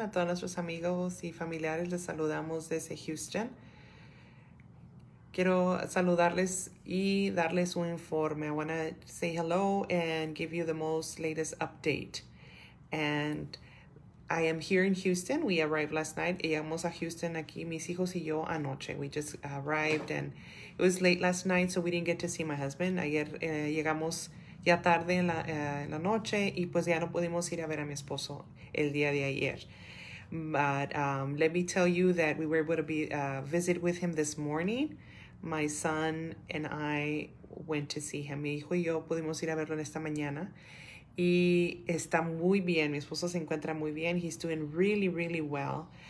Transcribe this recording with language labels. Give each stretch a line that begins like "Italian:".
Spanish: A todos nuestros amigos y familiares les saludamos desde Houston. Quiero saludarles y darles un informe.
English: I want to say hello and give you the most latest update. And I am here in Houston. We arrived last night.
Spanish: Llegamos a Houston aquí, mis hijos y yo, anoche.
English: We just arrived and it was late last night, so we didn't get to see my husband.
Spanish: Ayer llegamos ya tarde en la noche y pues ya no pudimos ir a ver a mi esposo el día de ayer.
English: But let me tell you that we were able to visit with him this morning. My son and I went to see him.
Spanish: Mi hijo y yo pudimos ir a verlo en esta mañana. Y está muy bien. Mi esposo se encuentra muy bien.
English: He's doing really, really well.